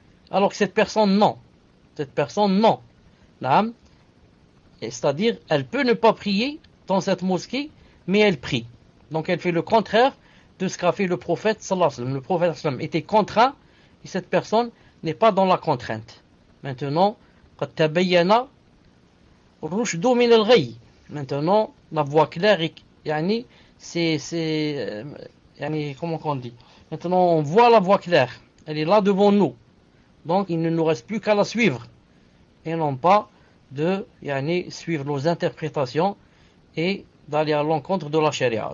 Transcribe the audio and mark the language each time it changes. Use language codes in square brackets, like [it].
[fr] Alors que cette personne, non. Cette personne, non. L'âme, c'est-à-dire, elle peut ne pas prier dans cette mosquée, mais elle prie. Donc elle fait le contraire de ce qu'a fait le prophète, [ar] sallallahu alayhi wa sallam. [fr] Le prophète, sallallahu alayhi wa sallam, était contraint, et cette personne n'est pas dans la contrainte. Maintenant, [ar] قَدْ تَبَيَّنَا رُشْدُ مِنَ الْغَيِّ. [fr] Maintenant, la voie claire, yani, c'est yani, comment qu'on dit? Maintenant, on voit la voie claire. Elle est là devant nous. Donc, il ne nous reste plus qu'à la suivre. Et non pas de yani, suivre nos interprétations et d'aller à l'encontre de la charia.